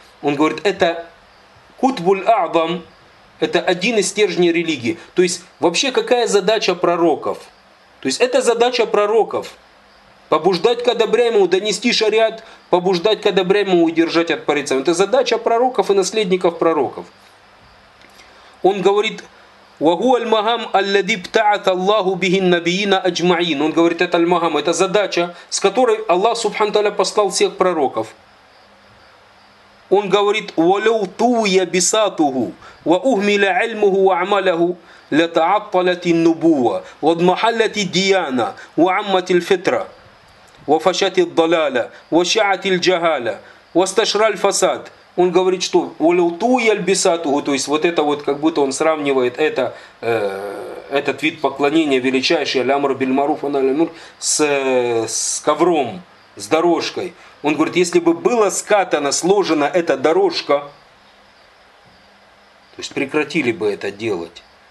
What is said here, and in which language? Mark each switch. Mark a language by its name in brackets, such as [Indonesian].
[Russian] Он говорит, это кутбуль-а'дам, это один из стержней религии. То есть, вообще, какая задача пророков? То есть, это задача пророков. Побуждать к одобряемому, донести шариат, побуждать к одобряемому, удержать от порицаемого. Это задача пророков и наследников пророков. Он говорит, [Arabic] وهو المهم الذي ابتعث الله به النبيين أجمعين. [Russian] Он говорит, это المهم, это задача, с которой Аллах [Arabic] سبحانه وتعالى [Russian] послал всех пророков. Он говорит, [Arabic] ولو طوي بساطه وأهمل علمه وعمله لتعطلت النبوة واضمحلت الديانة وعمت الفطرة وفشت الضلالة وشعت الجهالة واستشرى الفساد. [Russian] Он говорит, что улутуяльбисатуху, то есть вот это вот, как будто он сравнивает это, этот вид поклонения величайший, алямр бильмаруф, он алямур, с ковром, с дорожкой. Он говорит, если бы было скатано, сложена эта дорожка, то есть прекратили бы это делать.